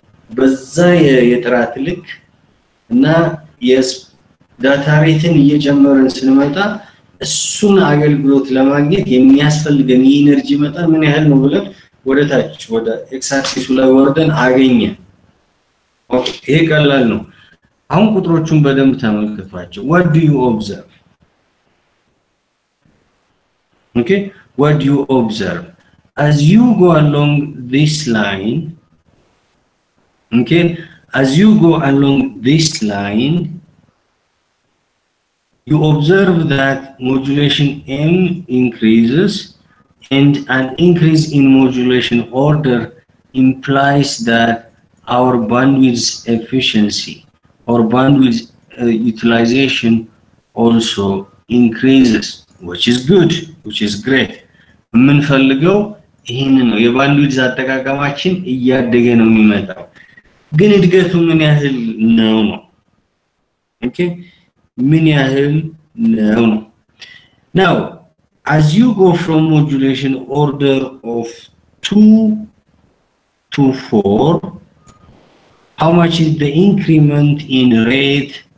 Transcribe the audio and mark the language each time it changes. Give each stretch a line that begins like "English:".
Amharic: በዛ የጥራት ልክ እና የዳታ ሬትን እየጨመርን ስንመጣ እሱን አገልግሎት ለማግኘት የሚያስፈልገን የኢነርጂ መጠን ምን ያህል ነው ብለን ወደ ታች ወደ ኤክሳክሲሱ ላይ ወርደን አገኘ። ይሄ ቀላል ነው። አሁን ቁጥሮቹን በደንብ ተመልክቷቸው።
English: ዋት ዱ ዩ ኦብዘርቭ? ኦኬ፣ ዋት ዱ ዩ ኦብዘርቭ አዝ ዩ ጎ አሎንግ ዲስ ላይን? ኦኬ፣ አዝ ዩ ጎ አሎንግ ዲስ ላይን you observe that modulation m increases and an increase in modulation order implies that our bandwidth efficiency or bandwidth utilization also increases, which is good, which is great.
Amharic: የምንፈልገው ይህን ነው። የባንድዊድዝ አጠቃቀማችን እያደገ ነው የሚመጣው፣ ግን እድገቱ ምን ያህል ነው ነው ኦኬ ምን ያህል ነው ነው።
English: ናው አዝ ዩ ጎ ፍሮም ሞጁሌሽን ኦርደር ኦፍ ቱ ቱ ፎር ሃው ማች ኢዝ ደ ኢንክሪመንት ኢን ሬት